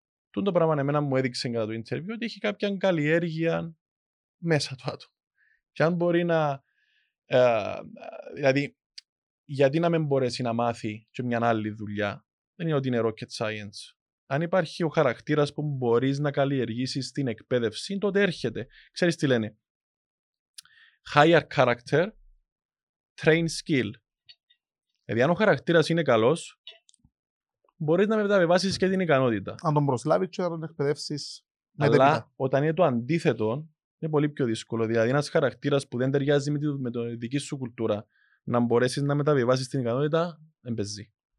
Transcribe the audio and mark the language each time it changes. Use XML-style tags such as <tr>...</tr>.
<el>Τον το πράγμα εμένα μου έδειξε κατά το interview ότι έχει κάποια καλλιέργεια μέσα του άτομο. Και αν μπορεί να... δηλαδή, γιατί να μην μπορέσει να μάθει και μια άλλη δουλειά. Δεν είναι ότι είναι rocket science. Αν υπάρχει ο χαρακτήρας που μπορείς να καλλιεργήσεις στην εκπαίδευση, τότε έρχεται. Ξέρεις τι λένε.</el> <en>Higher character, train skill.</en> <el>Δηλαδή, αν ο χαρακτήρας είναι καλός, μπορείς να μεταβιβάσεις και την ικανότητα. Αν τον προσλάβεις και να τον εκπαιδεύσεις. Αλλά όταν είναι το αντίθετο, είναι πολύ πιο δύσκολο. Δηλαδή, ένας χαρακτήρας που δεν ταιριάζει με τη δική σου κουλτούρα, να μπορέσεις να μεταβιβάσεις την ικανότητα, δεν παίζει.</el>